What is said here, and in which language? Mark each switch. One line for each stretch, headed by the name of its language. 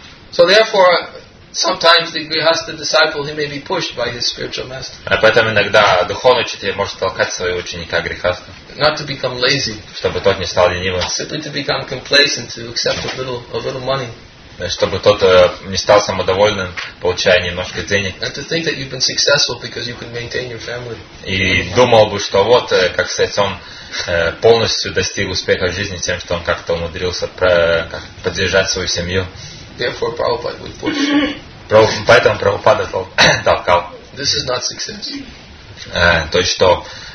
English: So therefore, sometimes the grihastha disciple, he may be pushed by his spiritual master.
Russian: Поэтому иногда духовный учитель может толкать своего ученика грихастху.
English: Not to become lazy.
Russian: Чтобы тот не стал ленивым.
English: Simply to become complacent, to accept a little money.
Russian: Чтобы тот не стал самодовольным, получая немножко денег.
English: And to think that you've been successful because you can maintain your family.
Russian: И думал бы, что вот, как сказать, он полностью достиг успеха в жизни тем, что он как-то умудрился поддержать свою семью.
English: Therefore, Prabhupada would push.
Russian: Поэтому Прабхупада толкал.
English: This is not success.
Russian: То есть что?